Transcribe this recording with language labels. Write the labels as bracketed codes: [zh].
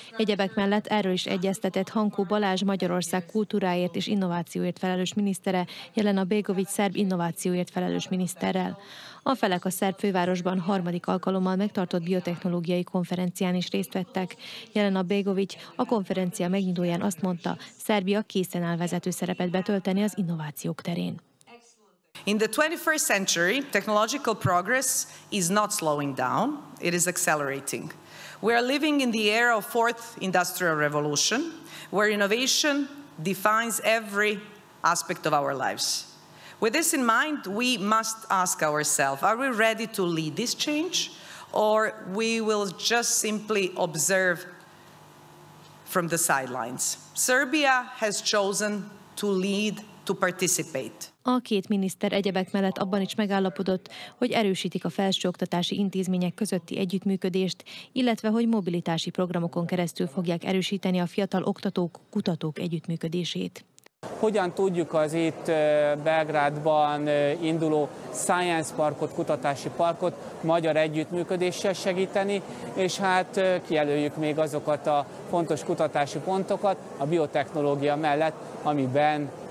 [hu] Egyebek mellett erről is egyeztetett Hankó Balázs Magyarország kultúráért és innovációért felelős minisztere, Jelena Begovic szerb innovációért felelős miniszterrel. A felek a szerb fővárosban harmadik alkalommal megtartott biotechnológiai konferencián is részt vettek. Jelena Begovic a konferencia megnyitóján azt mondta, Szerbia készen áll vezető szerepet betölteni az innovációk terén. [en] In the 21st century, technological progress is not slowing down, it is accelerating. We are living in the era of fourth industrial revolution, where innovation defines every aspect of our lives. With this in mind, we must ask ourselves, are we ready to lead this change, or we will just simply observe from the sidelines? Serbia has chosen to lead, to participate. [hu] A két miniszter egyebek mellett abban is megállapodott, hogy erősítik a felsőoktatási intézmények közötti együttműködést, illetve hogy mobilitási programokon keresztül fogják erősíteni a fiatal oktatók, kutatók együttműködését. Hogyan tudjuk az itt Belgrádban induló Science Parkot, kutatási parkot magyar együttműködéssel segíteni, és hát kijelöljük még azokat a fontos kutatási pontokat a biotechnológia mellett, amiben